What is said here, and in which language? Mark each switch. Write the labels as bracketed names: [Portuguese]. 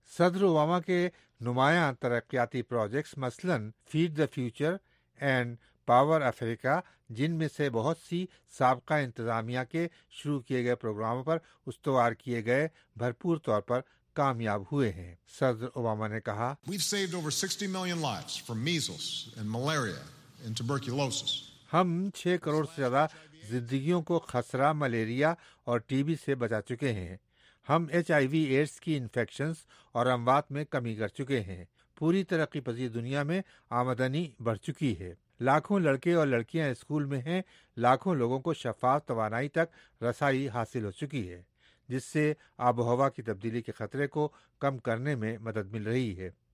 [Urdu] صدر اوباما کے نمایاں ترقیاتی پروجیکٹس مثلاً feed the future and power افریقہ, جن میں سے بہت سی سابقہ انتظامیہ کے شروع کیے گئے پروگراموں پر استوار کیے گئے, بھرپور طور پر کامیاب ہوئے ہیں. صدر اوباما نے کہا, [English] We've saved over 60 million lives from measles and malaria and tuberculosis. [Urdu] ہم 6 کروڑ سے زیادہ زندگیوں کو خسرہ, ملیریا اور ٹی بی سے بچا چکے ہیں. ہم HIV/AIDS کی انفیکشنز اور اموات میں کمی کر چکے ہیں. پوری ترقی پذیر دنیا میں آمدنی بڑھ چکی ہے. لاکھوں لڑکے اور لڑکیاں اسکول میں ہیں. لاکھوں لوگوں کو شفاف توانائی تک رسائی حاصل ہو چکی ہے، جس سے آب و ہوا کی تبدیلی کے خطرے کو کم کرنے میں مدد مل رہی ہے.